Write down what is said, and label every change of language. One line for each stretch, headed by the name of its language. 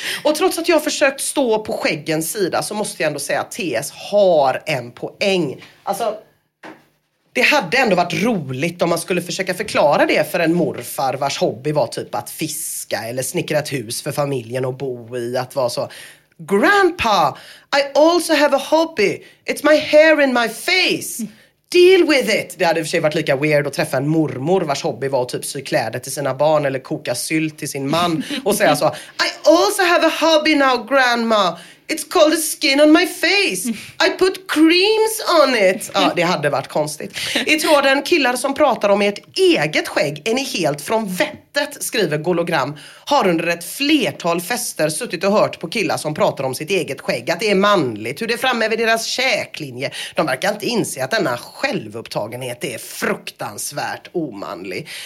Swedish: Och trots att jag har försökt stå på skäggens sida så måste jag ändå säga att TS har en poäng. Alltså, det hade ändå varit roligt om man skulle försöka förklara det för en morfar vars hobby var typ att fiska eller snickra ett hus för familjen och bo i, att vara så...
English: Grandpa, I also have a hobby. It's my hair in my face. Deal with it.
Swedish: Det hade i och för sig varit lika weird att träffa en mormor vars hobby var att typ sy kläder till sina barn eller koka sylt till sin man och säga så,
English: I also have a hobby now, grandma. It's called the skin on my face. I put creams on it.
Swedish: Ja, det hade varit konstigt. I tråden killar som pratar om ert eget skägg är ni helt från vettet, skriver Gologram. Har under ett flertal fester suttit och hört på killar som pratar om sitt eget skägg. Att det är manligt, hur det är framme vid deras käklinje. De verkar inte inse att denna självupptagenhet är fruktansvärt omanlig.